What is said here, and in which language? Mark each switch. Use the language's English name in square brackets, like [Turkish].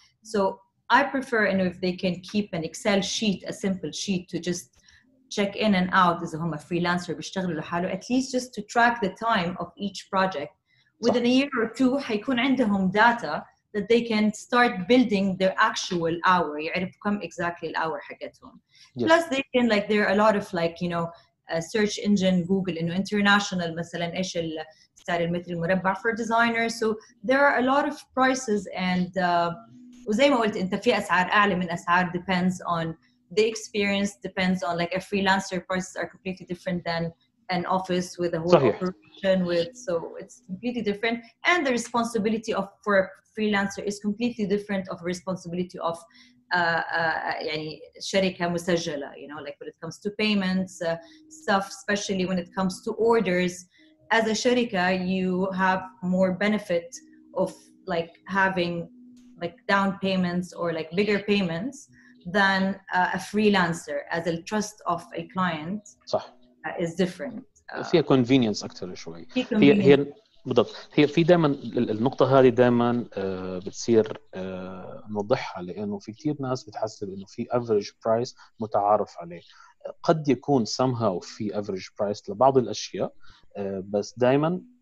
[English] So I prefer, you know, if they can keep an Excel sheet, a simple sheet to just check in and out. [Arabic] إذا هم [English] freelancer [Arabic] بيشتغلوا لحاله, [English] at least just to track the time of each project. Within صح. a year or two, هيكون عندهم data that they can start building their actual hour. [Arabic] يعرف كم [English] exactly [Arabic] الhour حقتهم. [English] Yes. Plus, they can like there are a lot of like you know. A search engine Google إنه international [Arabic] مثلا إيش السعر المتر المربع [English] for designers so there are a lot of prices and [Arabic] وزي ما قلت أنت في أسعار أعلى من أسعار [English] depends on the experience depends on like a freelancer prices are completely different than an office with a whole [Arabic] صحيح. [English] operation with so it's completely different and the responsibility of for a freelancer is completely different of responsibility of [Arabic] يعني شركة مسجلة [English] you know like when it comes to payments stuff especially when it comes to orders as a شركة you have more benefit of like having like down payments or like bigger payments than a freelancer as the trust of a client [Arabic] صح. [English] Is different [Arabic] فيها convenience أكثر شوي [English] convenience. [Arabic] هي بالضبط هي في دائما النقطة هذه دائما بتصير نوضحها لأنه في كتير ناس بتحسب إنه في [English] average price [Arabic] متعارف عليه قد يكون somehow في average price لبعض الأشياء بس دائما